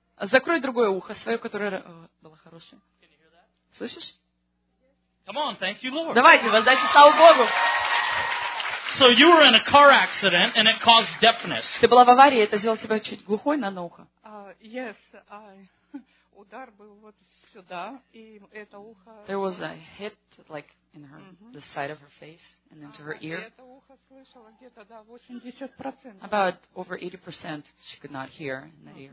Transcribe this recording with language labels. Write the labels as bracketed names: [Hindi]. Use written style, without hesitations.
[Russian] Закрой другое ухо свое, которое было хорошее. Слышишь? [English] Come on, thank you, Lord. [Russian] Давайте, воздайте славу Богу. [English] So you were in a car accident and it caused deafness. [Russian] Ты была в аварии, это сделало тебя чуть глухой на одно ухо. [English] Yes, I. [Russian] Удар был вот сюда, и это ухо. [English] There was a hit like in her the side of her face and into her ear. [Russian] Это ухо слышало где-то до 80%. [English] About over 80% she could not hear in that ear.